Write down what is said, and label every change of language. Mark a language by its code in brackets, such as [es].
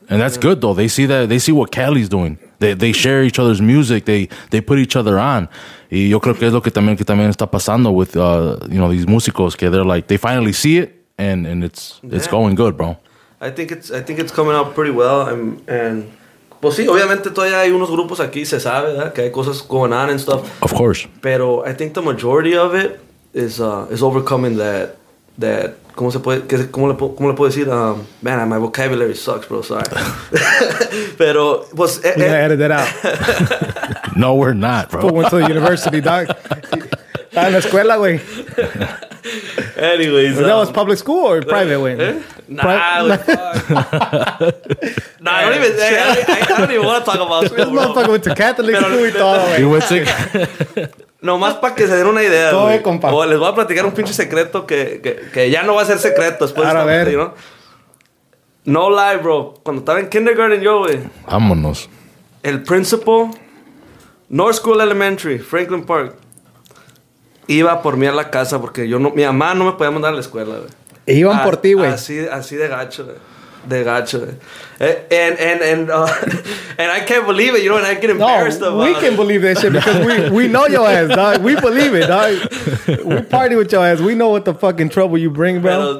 [en] And that's good, though. They see that. They see what Cali's doing. They share each other's music. They put each other on. [es] Y yo creo que es lo que también está pasando [en] with, you know, these músicos, que they're like, they finally see it, and it's going good, bro. I think it's coming out pretty well, and... [es] Pues sí, obviamente todavía hay unos grupos aquí, se sabe, ¿verdad? [en] Que hay cosas going on and stuff. Of course. Pero I think the majority of it is overcoming that [es] ¿cómo se puede? Que, ¿cómo le puedo decir? [en] Man, my vocabulary sucks, bro. Sorry. [es] Pero, pues... [en] We're gonna edit that out. No, we're not, bro. We went to the university, dog. [es] Estaba en la escuela, güey. [en] Anyways, that was public school or private, way? Nah, fuck. Nah, I don't even. I don't even want to talk about school. This motherfucker went to Catholic school. He went to. [es] No más para que se den una idea. Todo es compa. O les voy a platicar un pinche secreto que ya no va a ser secreto después. A ver, you know? [en] No lie, bro. [es] Cuando estaba en kindergarten, yo, güey. Vámonos. El principal, North School Elementary, Franklin Park. Iba por mí a la casa porque yo no, mi mamá no me podía mandar a la escuela, güey. Iban por ti, güey. Así de gacho, güey. De gacho, güey. [en] And I can't believe it, you know, and I get embarrassed [es] no, [en] about we it. We can believe that shit because we know your ass, dog. We believe it, dog. We party with your ass. We know what the fucking trouble you bring, bro.